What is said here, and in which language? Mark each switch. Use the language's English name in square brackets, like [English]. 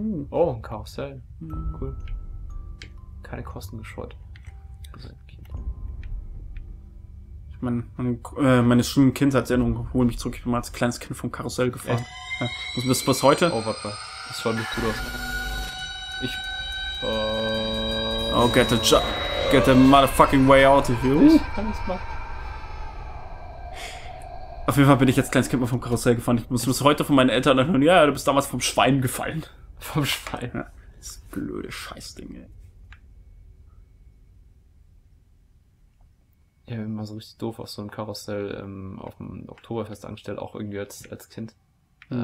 [German] Oh, ein Karussell. Mhm. Cool. Keine Kosten gescheut. Ich meine, meine schlimme Kindheitserinnerung holen mich zurück. Ich bin mal als kleines Kind vom Karussell gefahren. Ja. Das ist bis heute. Oh, warte mal. Das schaut nicht gut aus. Ich. [English] Oh, get the job. Get the motherfucking way out of here. [German] Auf jeden Fall bin ich jetzt kleines Kind mal vom Karussell gefahren. Ich muss heute von meinen Eltern hören, ja, du bist damals vom Schwein gefallen. Vom Schwein? Ja. Das blöde Scheißding, ey. Ja, immer so richtig doof auf so einem Karussell auf dem Oktoberfest angestellt, auch irgendwie als Kind. Mhm.